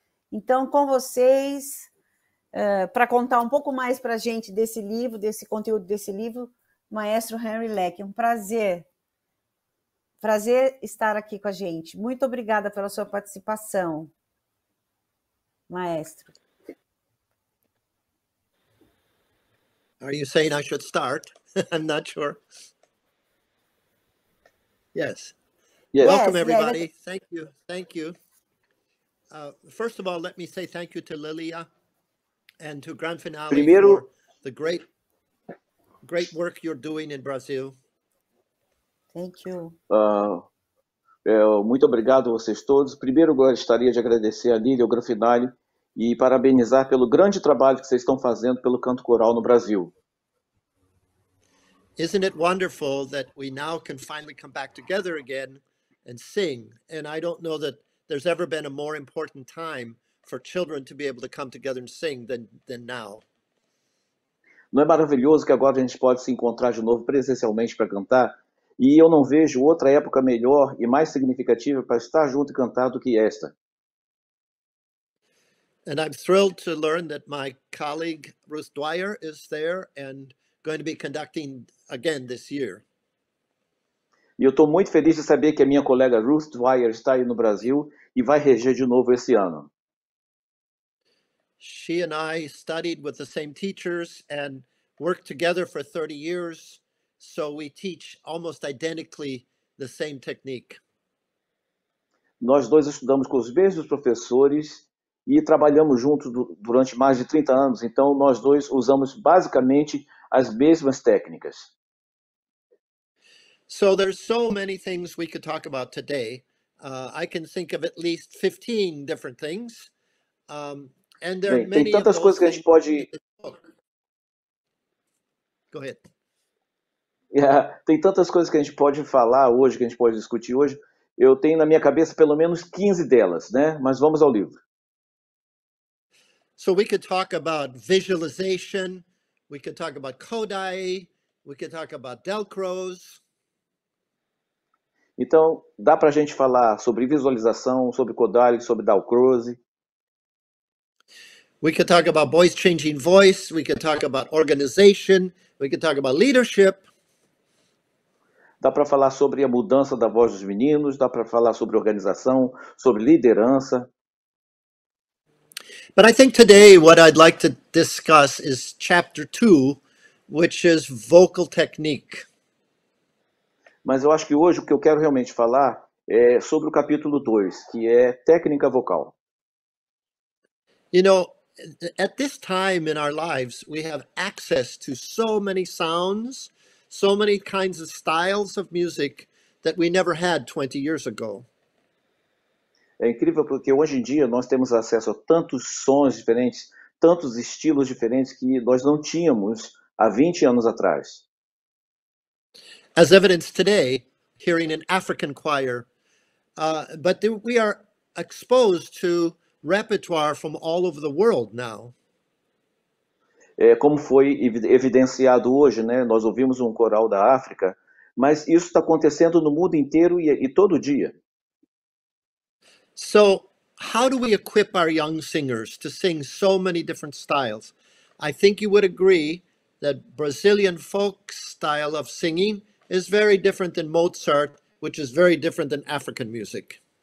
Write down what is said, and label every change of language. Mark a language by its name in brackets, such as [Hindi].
[Portuguese] Então, com vocês, para contar um pouco mais para a gente desse livro, desse conteúdo desse livro, Maestro Henry Leck, é um prazer. Prazer estar aqui com a gente. Muito obrigada pela sua participação, maestro. [English] Are you saying I should start? I'm not sure. Yes. Yes. Welcome, yes, everybody. Yes. Thank you. Thank you. First of all, let me say thank you to Lilia and to Grand Finale [Portuguese] Primeiro... [English] for the great, great work you're doing in Brazil. Thank you. [Portuguese] Muito obrigado a vocês todos. Primeiro, gostaria de agradecer a Lília, ao Gran Finale, e parabenizar pelo grande trabalho que vocês estão fazendo pelo canto coral no Brasil. [English] Isn't it wonderful that we now can finally come back together again and sing? And I don't know that there's ever been a more important time for children to be able to come together and sing than now. [Portuguese] Não é maravilhoso que agora a gente pode se encontrar de novo presencialmente para cantar? E eu não vejo outra época melhor e mais significativa para estar junto e cantar do que esta. [English] And I'm thrilled to learn that my colleague Ruth Dwyer is there and going to be conducting again this year. [Portuguese] E eu estou muito feliz de saber que a minha colega Ruth Dwyer está aí no Brasil e vai reger de novo esse ano. [English] She and I studied with the same teachers and worked together for 30 years. So we teach almost identically the same technique. [Portuguese] Nós dois estudamos com os mesmos professores e trabalhamos juntos durante mais de 30 anos, então nós dois usamos basicamente as mesmas técnicas. [English] So there's so many things we could talk about today. I can think of at least 15 different things. And there [Portuguese] Bem, [English] are many [Portuguese] tem tantas coisas que a gente pode... [English] Go ahead. Yeah. [Portuguese] Tem tantas coisas que a gente pode falar hoje, que a gente pode discutir hoje. Eu tenho na minha cabeça pelo menos 15 delas, né? Mas vamos ao livro. [English] So we could talk about visualization, we could talk about Kodai, we could talk about Delcros. [Portuguese] Então, dá pra gente falar sobre visualização, sobre Kodai, sobre Delcros. [English] We could talk about voice changing voice, we could talk about organization, we could talk about leadership. [Portuguese] Dá para falar sobre a mudança da voz dos meninos, dá para falar sobre organização, sobre liderança. [English] But I think today what I'd like to discuss is chapter 2, which is vocal technique. [Portuguese] Mas eu acho que hoje o que eu quero realmente falar é sobre o capítulo 2, que é técnica vocal. [English] You know, at this time in our lives, we have access to so many sounds, so many kinds of styles of music that we never had 20 years ago. [Portuguese] É incrível porque hoje em dia nós temos acesso a tantos sons diferentes, tantos estilos diferentes que nós não tínhamos há 20 anos atrás. [English] As evidence today, hearing an African choir, but we are exposed to repertoire from all over the world now. [Portuguese] É como foi evidenciado hoje, né? Nós ouvimos um coral da África, mas isso está acontecendo no mundo inteiro e todo dia. [English] So, how do we equip our young singers to sing so many different styles? I think you would agree that Brazilian folk style of singing is very different than Mozart, which is very different than African music.